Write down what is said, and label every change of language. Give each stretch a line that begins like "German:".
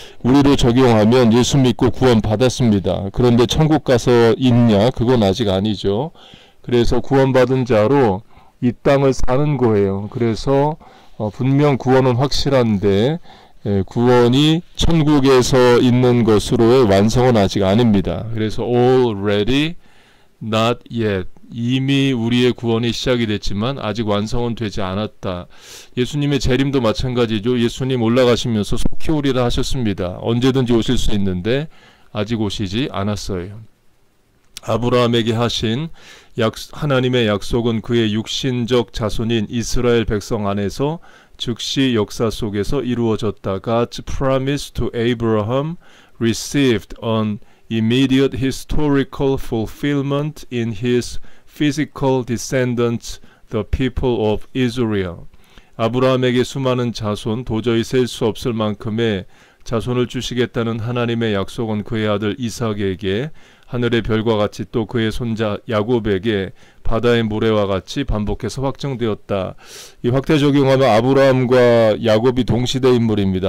Korean: 우리로 적용하면 예수 믿고 구원 받았습니다. 그런데 천국 가서 있냐? 그건 아직 아니죠. 그래서 구원받은 자로 이 땅을 사는 거예요. 그래서 분명 구원은 확실한데 구원이 천국에서 있는 것으로의 완성은 아직 아닙니다. 그래서
English: already, not yet.
Korean: 이미 우리의 구원이 시작이 됐지만 아직 완성은 되지 않았다. 예수님의 재림도 마찬가지죠. 예수님 올라가시면서 속히 오리라 하셨습니다. 언제든지 오실 수 있는데 아직 오시지 않았어요. 아브라함에게 하신 하나님의 약속은 그의 육신적 자손인 이스라엘 백성 안에서 즉시 역사 속에서 이루어졌다.
English: God's promise to Abraham received an immediate historical fulfillment in his physical descendants, the people of Israel.
Korean: 아브라함에게 수많은 자손, 도저히 셀수 없을 만큼의 자손을 주시겠다는 하나님의 약속은 그의 아들 이삭에게, 하늘의 별과 같이 또 그의 손자 야곱에게, 바다의 모래와 같이 반복해서 확정되었다. 이 확대 적용하면 아브라함과 야곱이 동시대 인물입니다.